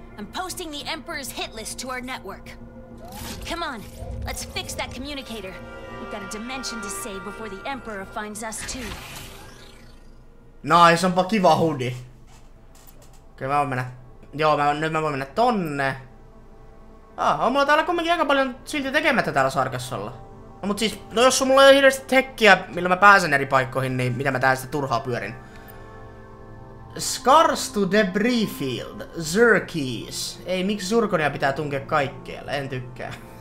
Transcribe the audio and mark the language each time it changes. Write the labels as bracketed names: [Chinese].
[English] I'm posting the Emperor's hit list to our network. Come on, let's fix that communicator. We've got a dimension to save before the Emperor finds us too. [Finnish] Nice, onpa kiva hoodie. Okei, mä voin mennä. Joo, nyt mä voin mennä tonne. On mulla täällä kumminkin aika paljon silti tekemättä täällä sarkassolla. No mut siis, no jos mulla ei ole hirveästi tekkiä, millä mä pääsen eri paikkoihin, niin mitä mä täällä sitten turhaa pyörin. [English] Scars to debris field, Zerkies. [Finnish] Ei, miksi Zurkonia pitää tunkea kaikkeelle? En tykkää.